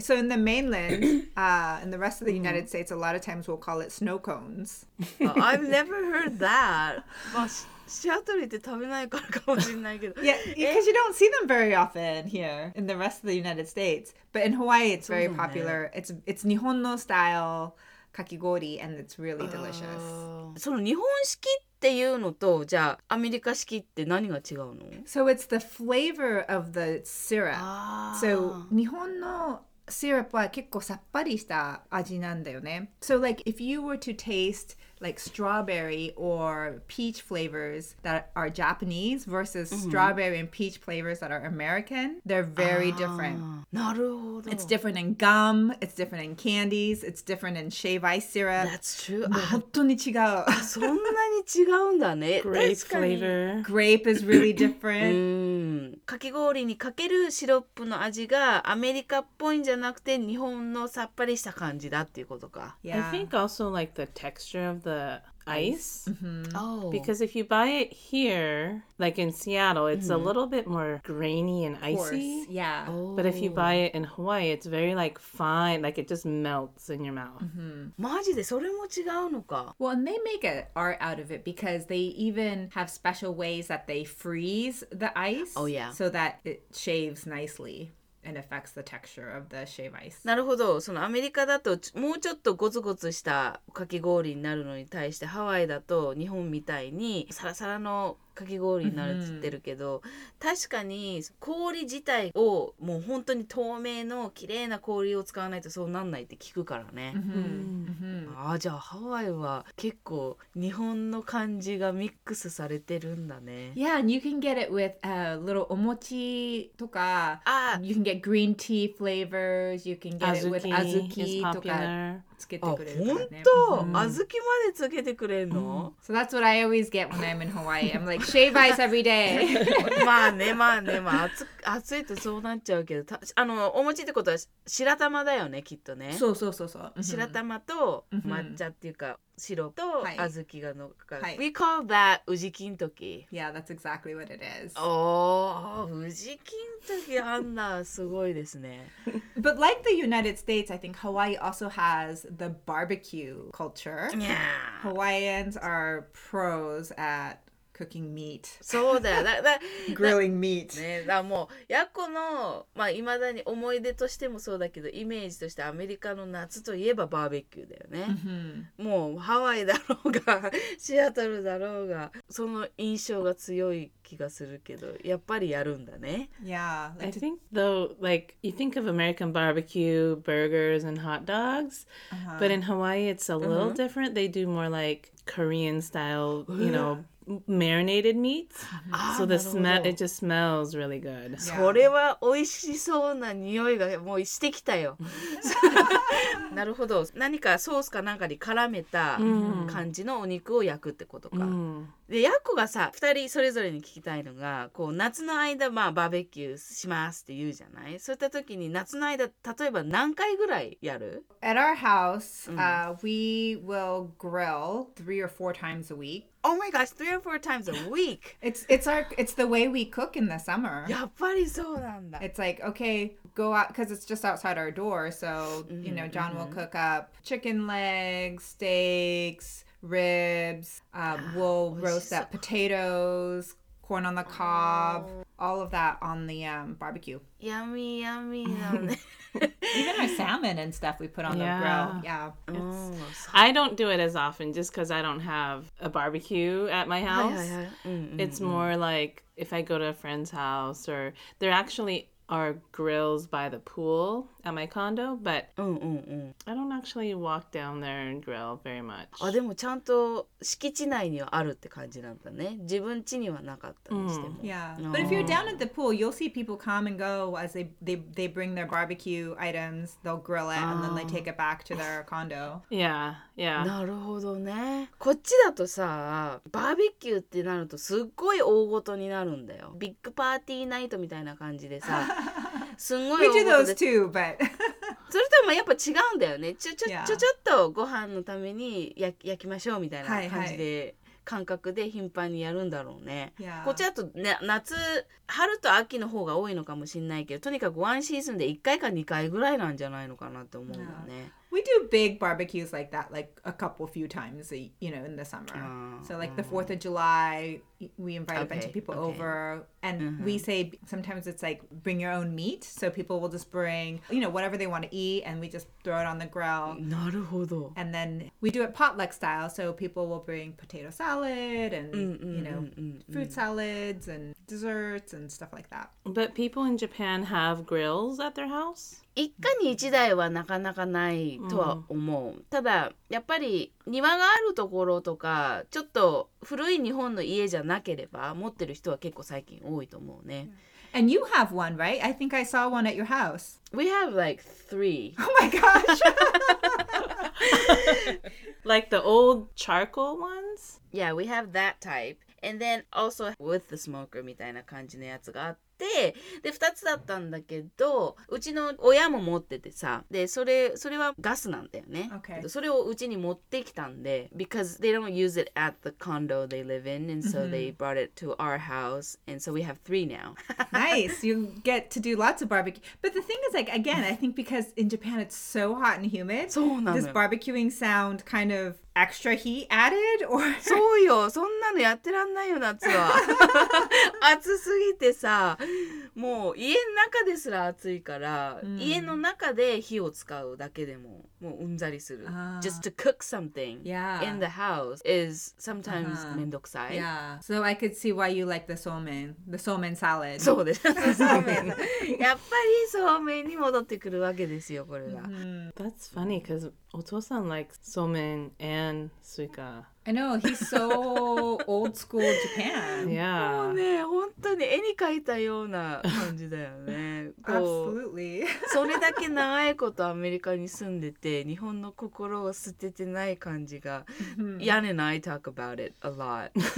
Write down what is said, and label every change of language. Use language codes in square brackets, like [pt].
[en] So in the mainland, in the rest of the United States, a lot of times we'll call it snow cones. Oh, I've never heard that. [ja] Well,シアトルって食べないからかもしれないけど。 [en] Yeah, because you don't see them very often here in the rest of the United States. But in Hawaii, it's very popular. It's [ja] 日本のスタイル [en] かき氷 and it's really delicious. [ja] その日本式っていうのとじゃあアメリカ式って何が違うの? [en] So it's the flavor of the syrup. [ja] So 日本のシロップは結構さっぱりした味なんだよね。 [en] So like if you were to taste like strawberry or peach flavors that are Japanese versus strawberry and peach flavors that are American, they're very different. [ja] なるほど。 [en] It's different in gum, it's different in candies, it's different in shave ice syrup. That's true. [ja] 本当に違う。そんなに違うんだね。 [en] Grape flavor. Grape is really different. [ja] かき氷にかけるシロップの味がアメリカっぽいんじゃなくて日本のさっぱりした感じだっていうことか。 [en] Yeah. I think also like the texture of the ice. Mm-hmm. Oh. Because if you buy it here, like in Seattle, it's a little bit more grainy and icy. Yeah. Oh. But if you buy it in Hawaii, it's very like fine, like it just melts in your mouth. [ja] Maji de sore mo chigau no ka? [en] Well, and they make an art out of it because they even have special ways that they freeze the ice. Oh, yeah. So that it shaves nicely. And affects the texture of the shave ice. [ja] なるほど。そのアメリカだともうちょっとゴツゴツしたかき氷になるのに対してハワイだと日本みたいにサラサラのかき氷になるって言ってるけど、mm-hmm. 確かに氷自体をもう本当に透明の綺麗な氷を使わないとそうなんないって聞くからね。 Mm-hmm. ああじゃあハワイは結構日本の感じがミックスされてるんだね。 [en] Yeah, and you can get it with a little [ja] お餅とか、 [en] you can get green tea flavors, you can get it with [ja] 小豆とか。つけてくれるからね。あ、本当？小豆までつけてくれるの？ [en] So that's what I always get when I'm in Hawaii. I'm like, shave ice every day. [ja] まあね、まあね、まあ暑いとそうなっちゃうけど、あの、お餅ってことは白玉だよね、きっとね。そうそうそうそう。白玉と抹茶っていうか、白と小豆がのっかる。 [en] We call that 宇治金時。 Yeah, that's exactly what it is. [ja] Oh, 宇治金時あんなすごいですね。 [en] But like the United States, I think Hawaii also has the barbecue culture. Yeah. Hawaiians are pros at cooking meat. [ja] そうだよ。 [en] grilling meat. [ja] ね、だもう、ヤコの、まあ、未だに思い出としてもそうだけど、イメージとしてアメリカの夏といえばバーベキューだよね。 Mm-hmm. もうハワイだろうが、シアトルだろうが、その印象が強い気がするけど、やっぱりやるんだね。 [en] Yeah. I think though, like, you think of American barbecue, burgers, and hot dogs, but in Hawaii, it's a little different. They do more like Korean style, you know, marinated meats. So the smell, it just smells really good. [ja] それは美味しそうな匂いがもうしてきたよ。なるほど。何かソースかなんかに絡めた感じのお肉を焼くってことか。で、ヤコがさ、2人それぞれに聞きたいのが、こう夏の間、まあ、バーベキューしますって言うじゃない? そういった時に夏の間、例えば何回ぐらいやる? [en] At our house, we will grill 3 or 4 times a week. Oh my gosh, 3 or 4 times a week. it's the way we cook in the summer. [ja] やっぱりそうなんだ。 [en] It's like, okay, go out, because it's just outside our door, so, you know, John will cook up chicken legs, steaks, ribs, we'll roast up potatoes, corn on the cob, all of that on the barbecue. Yummy, yummy, yummy. Even our salmon and stuff we put on the grill. Yeah. I don't do it as often just because I don't have a barbecue at my house. It's more like if I go to a friend's house or they're actually... are grills by the pool at my condo, but I don't actually walk down there and grill very much. [ja] あ、でもちゃんと敷地内にはあるって感じなんだね。自分家にはなかったにしても。 [en] Yeah. But if you're down at the pool, you'll see people come and go as they bring their barbecue items, they'll grill it, and then they take it back to their condo. Yeah, yeah. [ja] なるほどね。こっちだとさ、バーベキューってなるとすっごい大ごとになるんだよ。ビッグパーティーナイトみたいな感じでさ、すんごい [en] We do those too, but... [ja] それとはやっぱ違うんだよね。ちょっとご飯のために焼きましょうみたいな感じで、はいはい、感覚で頻繁にやるんだろうね。 [en] Yeah. [ja] こっちだと、ね、夏、春と秋の方が多いのかもしれないけど、とにかくワンシーズンで1回か2回ぐらいなんじゃないのかなって思うよね。 [en] Yeah. We do big barbecues like that, like a couple few times, you know, in the summer. Oh, so like the 4th of July, we invite a bunch of people over. And we say sometimes it's like bring your own meat. So people will just bring, you know, whatever they want to eat and we just throw it on the grill. [ja] なるほど. [en] And then we do it potluck style. So people will bring potato salad and, you know, fruit salads and desserts and stuff like that. But people in Japan have grills at their house? [ja] 一家に一台はなかなかないとは思う、ただやっぱり庭があるところとかちょっと古い日本の家じゃなければ持ってる人は結構最近多いと思うね、 [en] And you have one, right? I think I saw one at your house. We have like three. Oh my gosh! Like the old charcoal ones? Yeah, we have that type. And then also with the smoker [ja] みたいな感じのやつがあってで2つだったんだけどうちの親も持っててさでそれはガスなんだよね、 [en] okay. [ja] それをうちに持ってきたんで [en] because they don't use it at the condo they live in and so they brought it to our house and so we have three now nice you get to do lots of barbecue but the thing is like again I think because in Japan it's so hot and humid [ja] そうなのよ [en] does barbecuing sound kind of extra heat added or [ja] そうよそんなのやってらんないよ夏は暑すぎてさもう家の中ですら暑いから、家の中で火を使うだけでももううんざりする。 [en] Just to cook something in the house is sometimes [ja] めんどくさい。 [en] Yeah. So I could see why you like the somen salad. [ja] そうです。そうめん。やっぱりそうめんに戻ってくるわけですよこれが。 [en] That's funny because お父さん likes somen and スイカ。 I know, he's so old school Japan. Yeah. [ja] もうね、本当に絵に描いたような感じだよね。 [en] Absolutely. [ja] それだけ長いことアメリカに住んでて、日本の心を捨ててない感じが。 [en] Yan and I talk about it a lot.